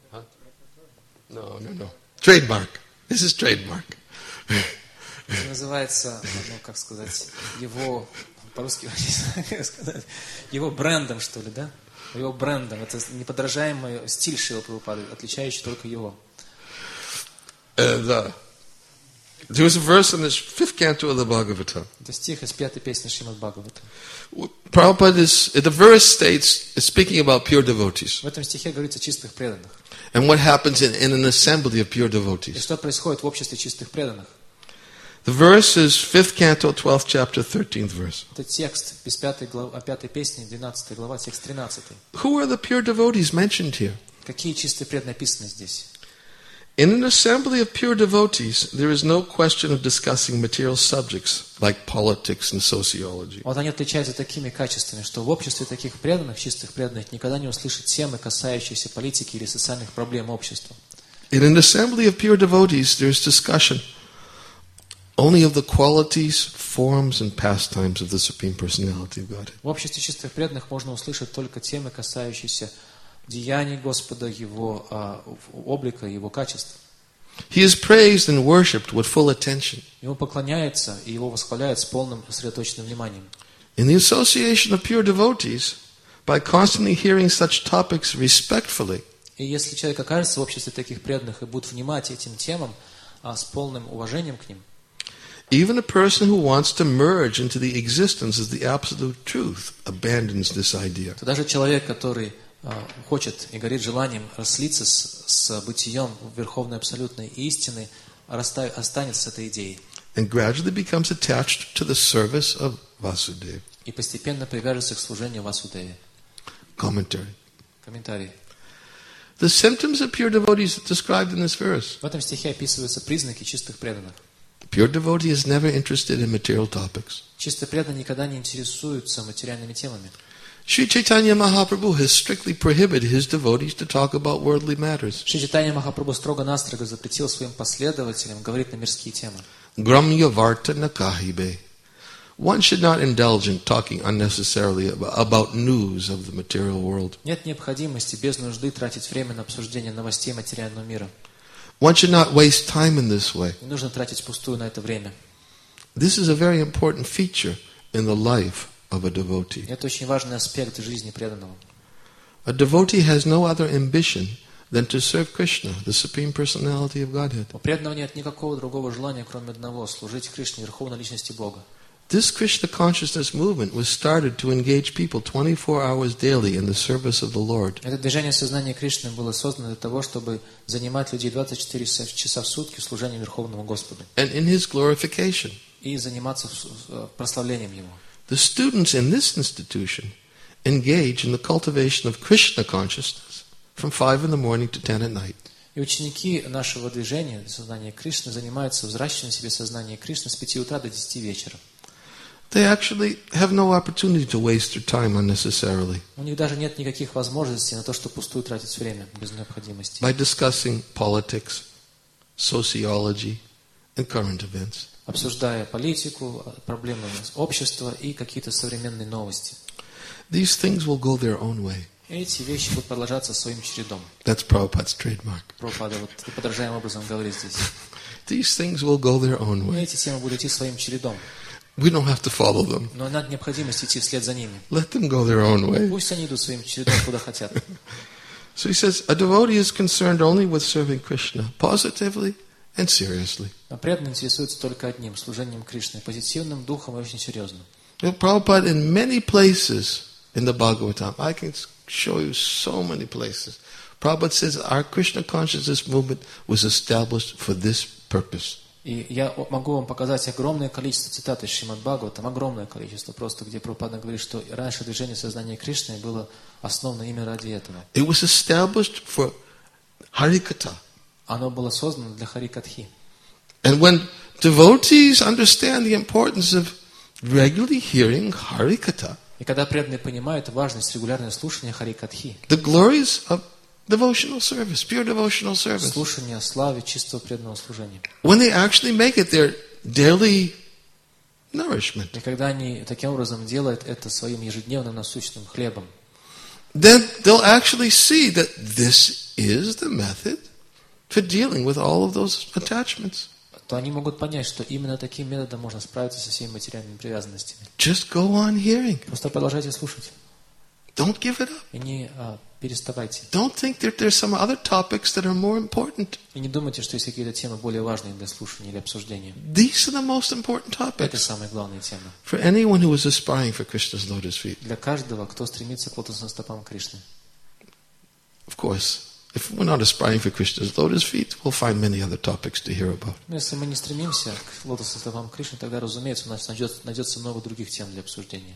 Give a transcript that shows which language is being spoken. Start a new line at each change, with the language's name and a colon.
English: Huh? No. Trademark. This is trademark.
Russian: Это называется, ну как сказать, его по-русски не знаю сказать, его брендом что ли, да? Его брендом. Это неподражаемый стиль Шрилы Прабхупады, отличающий только его.
English: And there was a verse in the fifth canto of the Bhagavatam.
Russian: Это стих из пятой песни Шримад Бхагаватам.
English: Prabhupada is, the verse states, is speaking about pure devotees.
Russian: В этом стихе говорится о чистых преданных.
English: And what happens in an assembly of pure devotees?
Russian: И что происходит в обществе чистых преданных?
English: The verse is fifth canto, 12th chapter, 13th verse.
Russian: Это текст из пятой главы, пятой песни, 12 глава, текст 13.
English: Who are the pure devotees mentioned here?
Russian: Какие чистые преданные описаны здесь?
English: In an assembly of pure devotees, there is no question of discussing material subjects like politics and sociology.
Russian: Вот они отличаются такими качествами, что в обществе таких преданных, чистых преданных, никогда не услышат темы, касающиеся политики или социальных проблем общества.
English: In an assembly of pure devotees, there is discussion only of the qualities, forms, and pastimes of the Supreme Personality of God.
Russian: В обществе чистых преданных можно услышать только темы, касающиеся деяний Господа, Его облика, Его качеств.
English: He is praised and worshipped with full attention.
Russian: Его поклоняется и Его восхваляют с полным сосредоточенным вниманием.
English: In the association of pure devotees, by constantly hearing such topics respectfully,
Russian: и если человек окажется в обществе таких преданных и будет внимать этим темам с полным уважением к ним,
English: even a person who wants to merge into the existence of the absolute truth abandons this idea.
Russian: То даже человек, который хочет и горит желанием слиться с бытием Верховной Абсолютной Истины, останется с этой идеей.
English: And gradually becomes attached to the service of Vasudeva.
Russian: И постепенно привяжется к служению Васудеве. Комментарий.
English: The symptoms of pure devotees described in this verse.
Russian: В этом стихе описываются признаки чистых преданных.
English: Pure devotee is never interested in material topics.
Russian: Чистый преданный никогда не интересуется материальными темами.
English: Sri Chaitanya Mahaprabhu has strictly prohibited his devotees to talk about worldly matters.
Russian: Шри Чайтанья Махапрабху строго-настрого запретил своим последователям говорить на мирские темы.
Bangla: Грамья варта на кахибе.
English: One should not indulge in talking unnecessarily about news of the material world.
Russian: Нет необходимости без нужды тратить время на обсуждение новостей материального мира.
English: One should not waste time in this way.
Russian: Не нужно тратить впустую на это время.
English: This is a very important feature in the life of a devotee.
Russian: Это очень важный аспект жизни преданного.
English: A devotee has no other ambition than to serve Krishna, the Supreme Personality of Godhead.
Russian: У преданного нет никакого другого желания, кроме одного — служить Кришне, Верховной Личности Бога.
English: This Krishna consciousness movement was started to engage people 24 hours daily in the service of the Lord.
Russian: Это движение сознания Кришны было создано для того, чтобы занимать людей 24 часа в сутки служением Верховному Господу.
English: And in His glorification.
Russian: И заниматься прославлением Его.
English: The students in this institution engage in the cultivation of Krishna consciousness from 5 in the morning to 10 at night.
Russian: И ученики нашего движения сознания Кришны занимаются взращиванием себе сознания Кришны с 5 утра до 10 вечера.
English: They actually have no opportunity to waste their time unnecessarily.
Russian: У них даже нет никаких возможностей на то, чтобы пустую тратить время без необходимости.
English: By discussing politics, sociology, and current events.
Russian: Обсуждая политику, проблемы общества и какие-то современные новости.
English: These things will go their own way.
Russian: Эти вещи будут продолжаться своим чередом.
English: That's Prabhupada's trademark.
Russian: Прабхупада вот подражаемым образом говорит здесь.
English: These things will go their own way.
Russian: Эти темы будут идти своим чередом.
English: We don't have to follow them.
Russian: Но нет необходимости идти вслед за ними.
English: Let them go their own way.
Russian: Пусть они идут своим чередом, куда хотят.
English: So he says, a devotee is concerned only with serving Krishna positively and seriously.
Russian: А преданный интересуется только одним служением Кришне, позитивным духом и очень серьезным.
English: Prabhupada in many places in the Bhagavatam, I can show you so many places. Prabhupada says our Krishna consciousness movement was established for this purpose.
Russian: И я могу вам показать огромное количество цитат из Шримад-Бхагаватам, огромное количество просто, где Прабхупада говорит, что раньше движение сознания Кришны было основано именно ради этого.
English: It was established for Харикатха.
Russian: Оно было создано для Харикатхи.
English: And when devotees understand the importance of regularly hearing Харикатха,
Russian: и когда преданные понимают важность регулярного слушания Харикатхи,
English: the glories of devotional service, pure devotional service.
Russian: Слушание славы чистого преданного служения.
English: When they actually make it their daily nourishment.
Russian: И когда они таким образом делают это своим ежедневным насущным хлебом.
English: Then they'll actually see that this is the method for dealing with all of those attachments.
Russian: То они могут понять, что именно таким методом можно справиться со всеми материальными привязанностями.
English: Just go on hearing.
Russian: Просто продолжайте слушать.
English: Don't give it up.
Russian: И не переставайте.
English: Don't think that there's some other topics that are more important.
Russian: И не думайте, что есть какие-то темы более важные для слушания или обсуждения.
English: These are the most important topics.
Russian: Это самые главные темы.
English: For anyone who is aspiring for Krishna's lotus feet.
Russian: Для каждого, кто стремится к лотосным стопам Кришны.
English: Of course, if we're not aspiring for Krishna's lotus feet, we'll find many other topics to hear about.
Russian: Если мы не стремимся к лотосным стопам Кришны, тогда, разумеется, у нас найдется много других тем для обсуждения.